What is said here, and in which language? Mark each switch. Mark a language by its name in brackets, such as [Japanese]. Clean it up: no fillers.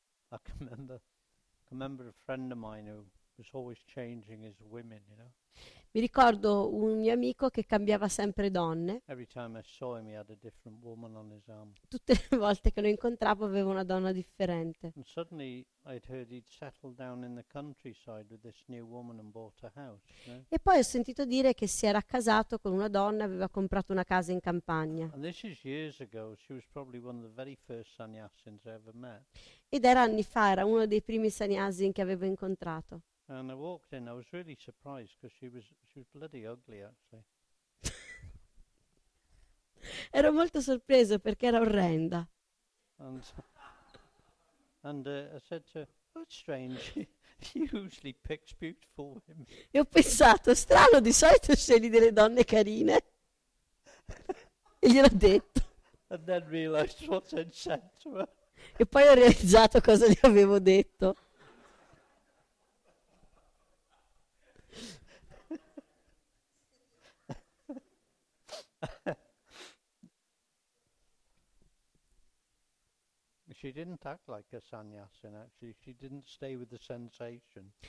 [English] I remember a friend of mine who was always changing his women, you know? [Italian] Mi ricordo un mio amico che cambiava sempre donne. [English] Every time I saw him, he had a different woman on his arm. [Italian] Tutte le volte che lo incontravo aveva una donna differente. [English] And suddenly I'd heard he'd settled down in the countryside with this new woman and bought a house. [Italian] E poi ho sentito dire che si era accasato con una donna e aveva comprato una casa in campagna. [English] And this is years ago. She was probably one of the very first sannyasins I ever met. [Italian] Ed era anni fa, era uno dei primi sannyasin che avevo incontrato. [English] And I walked in, I was really surprised because she was bloody ugly actually. [Italian] Ero molto sorpreso perché era orrenda. [English] And I said to her, oh, it's strange, she usually picks beautiful women. [Italian] E ho pensato, strano, di solito scegli delle donne carine. E gliel'ho detto. [English] And then realized what I'd said to her. [Italian] E poi ho realizzato cosa gli avevo detto. [English] She didn't act like a sannyasin, actually. She didn't stay with the sensation.